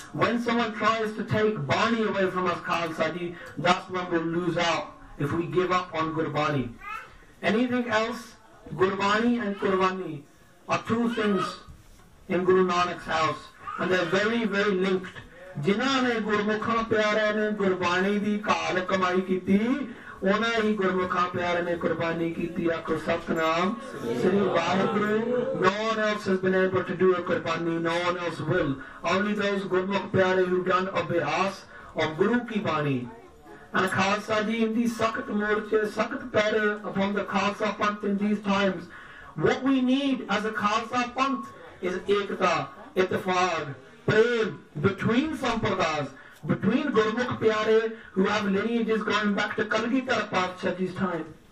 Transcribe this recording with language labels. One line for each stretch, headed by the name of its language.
English: When someone tries to take bani away from us, Khalsa ji, that's when we'll lose out, if we give up on gurbani. Anything else, gurbani and qurbani are two things in Guru Nanak's house, and they're very, very linked.
Punjabi: ਜਿਨ੍ਹਾਂ ਨੇ ਗੁਰਮੁਖਾਂ ਪਿਆਰਿਆਂ ਨੇ ਗੁਰਬਾਣੀ ਦੀ ਘਾਲ ਕਮਾਈ ਕੀਤੀ, ਉਹਨਾਂ ਹੀ ਗੁਰਮੁਖਾਂ ਪਿਆਰਿਆਂ ਨੇ ਕੁਰਬਾਨੀ ਕੀਤੀ। ਆਖੋ ਸਤਨਾਮ ਸ੍ਰੀ Waheguru.
English: No one else has been able to do a qurbani, no one else will. Only those
Punjabi: ਗੁਰਮੁਖ ਪਿਆਰੇ
English: who done
Punjabi: ਅਭਿਆਸ
English: of
Punjabi: ਗੁਰੂ ਕੀ ਬਾਣੀ।
English: And Khalsa ji, in these
Punjabi: ਸਖਤ ਮੋਰਚੇ, ਸਖਤ ਪੈਰੇ
English: upon the Khalsa Panth in these times, what we need as a Khalsa Panth is ekta, ittefaq, prem between sampradas, between Gurmukh Pyare who have lineages going back to Kalgitar Patshahji's time.